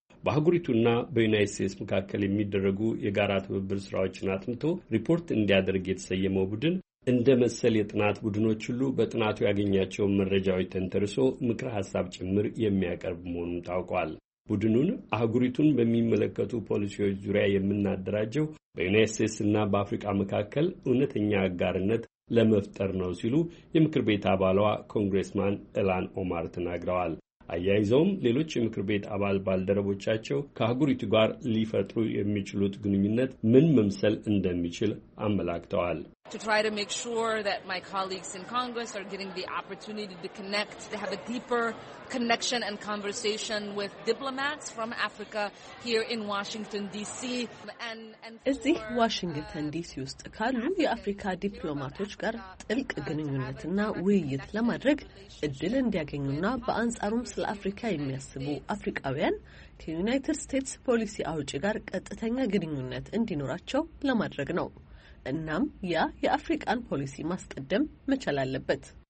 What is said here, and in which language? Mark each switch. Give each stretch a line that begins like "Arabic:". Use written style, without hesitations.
Amharic: በአህጉሪቱና በዩናይት ስቴትስ መካከል የሚደረጉ የጋራ ትብብር ስራዎችን አጥንቶ ሪፖርት እንዲያደርግ የተሰየመው ቡድን እንደ መሰል የጥናት ቡድኖች ሁሉ በጥናቱ ያገኛቸውን መረጃዎች ተንተርሶ ምክረ ሀሳብ ጭምር የሚያቀርብ መሆኑም ታውቋል። ቡድኑን አህጉሪቱን በሚመለከቱ ፖሊሲዎች ዙሪያ የምናደራጀው በዩናይት ስቴትስ እና በአፍሪቃ መካከል እውነተኛ አጋርነት ለመፍጠር ነው ሲሉ የምክር ቤት አባሏ ኮንግሬስማን ኢላን ኦማር ተናግረዋል። አያይዘውም ሌሎች የምክር ቤት አባል ባልደረቦቻቸው ከአህጉሪቱ ጋር ሊፈጥሩ የሚችሉት ግንኙነት ምን መምሰል እንደሚችል አመላክተዋል።
English: To try to make sure that my colleagues in Congress are getting the opportunity to connect, to have a deeper connection and conversation with diplomats from Africa here in Washington D.C.
Amharic: እዚህ ዋሽንግተን ዲሲ ውስጥ ካሉ የአፍሪካ ዲፕሎማቶች ጋር ጥልቅ ግንኙነትና ውይይት ለማድረግ እድል እንዲያገኙና በአንጻሩም ስለ አፍሪካ የሚያስቡ አፍሪካውያን ከዩናይትድ ስቴትስ ፖሊሲ አውጪ ጋር ቀጥተኛ ግንኙነት እንዲኖራቸው ለማድረግ ነው። እናም ያ የአፍሪካን ፖሊሲ ማስቀደም መቻል አለበት።